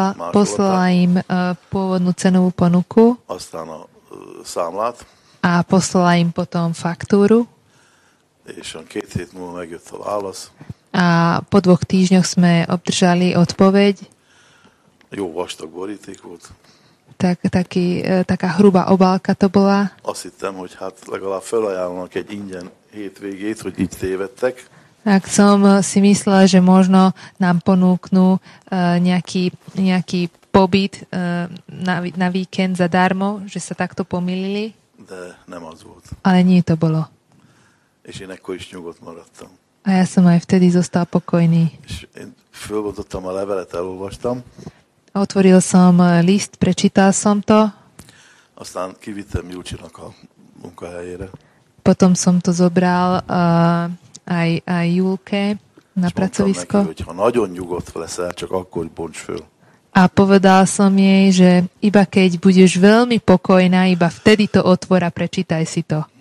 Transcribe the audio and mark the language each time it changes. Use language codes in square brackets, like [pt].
[sk] Poslala im pôvodnú cenovú ponuku. [hu] Aztán a számlát. [sk] A poslala im potom faktúru. [hu] És on 2 hét múlva megjött a válasz. [sk] A po 2 týždňoch sme obdržali odpoveď. [hu] Jó vastag boríték volt. [sk] Taká hrubá obálka to bola. [hu] Azt hittem, hogy hát legalább felajánlanak egy ingyen hétvégét, hogy így tévedtek. [sk] Tak som si myslel, že možno nám ponúknú nejaký pobyt na víkend zadarmo, že sa takto pomýlili. [hu] De nem az volt. [sk] Ale nie to bolo. [hu] És én ekkor is nyugodt maradtam. [sk] A ja som aj vtedy zostal pokojný. [hu] És én fölbontottam a levelet, elolvastam. [sk] Otvoril som list, prečítal som to. [hu] Aztán kivittem Júcsinak a munkahelyére. [sk] Potom som to zobral aj Júlke na pracovisko. [hu] Neki, hogyha nagyon nyugodt leszel, csak akkor bonts föl. [sk] A povedal som jej, že iba keď budeš veľmi pokojná, iba vtedy to otvor a prečítaj si to.